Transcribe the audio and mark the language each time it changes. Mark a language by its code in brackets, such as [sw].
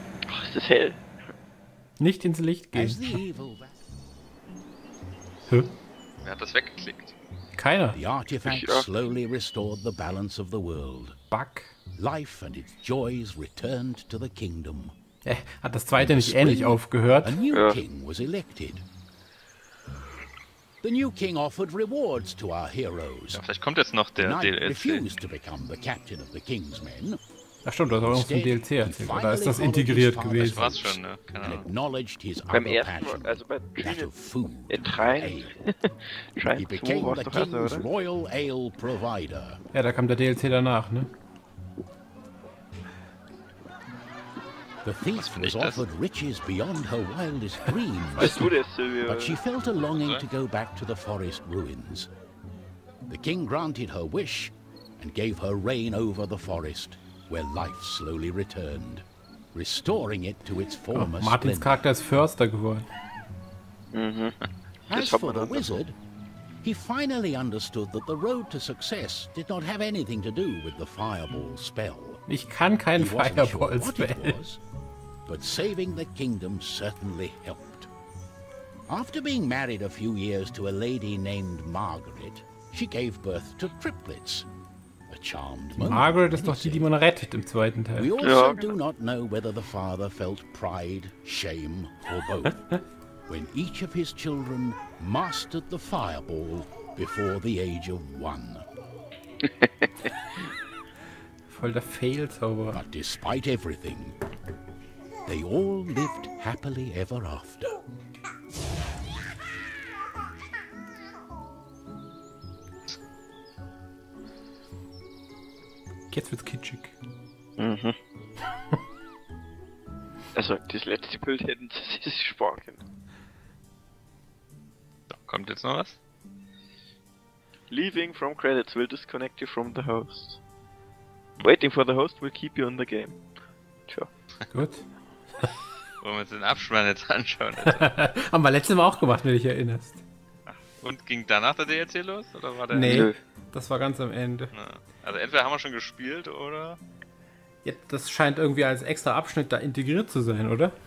[de] Ach, ist das hell. Nicht ins Licht gehen. Wer hat das weggeklickt? Keiner. [en] The artifact slowly restored the balance of the world. Back. Life and its joys returned to the kingdom. [de] Hat das zweite nicht ähnlich aufgehört? [en] A new king was elected. The new king offered rewards to our heroes. [de] Ja, vielleicht kommt jetzt noch der DLC. [en] Knight refused to become the captain of the king's men. [de] Ach stimmt, das war auch vom DLC erzählt. Oder ist das integriert gewesen? Das war's schon, ne? Keine Ahnung. Beim ersten Mal, also bei Trine, Trine 2 war's doch erst, oder? [en] Royal Ale [de] Provider. Ja, da kam der DLC danach, ne? [en] The thief was offered riches beyond her wildest dreams. [de] Weißt du das, Silvio? [en] But she felt a longing to go back to the forest ruins. The king granted her wish and gave her reign over the forest. Where life slowly returned, restoring it to its former splendor. [de] Martins Charakter ist Förster geworden. [en] As for the wizard, he finally understood that the road to success did not have anything to do with the fireball spell. [de] Ich kann kein Fireball spell. [en] But saving the kingdom certainly helped. After being married a few years to a lady named Margaret, she gave birth to triplets. A [de] Margaret ist doch die, die man rettet im zweiten Teil. [en] We also do not know whether the father felt pride, shame or both. When each of his children mastered the fireball before the age of one. [de] Voll der Fehlzauber. [en] But despite everything, they all lived happily ever after. [de] Jetzt wird's kitschig. Mhm. Also, das letzte Bild hätten sie sich sparen können. Da kommt jetzt noch was. [en] Leaving from credits will disconnect you from the host. Waiting for the host will keep you in the game. [de] Tja. Gut. Wollen wir uns den Abspann jetzt anschauen? Haben wir letztes Mal auch gemacht, wenn du dich erinnerst. Und ging danach der DLC los? Oder war der nee, das war ganz am Ende. Also entweder haben wir schon gespielt, oder? Ja, das scheint irgendwie als extra Abschnitt da integriert zu sein, oder?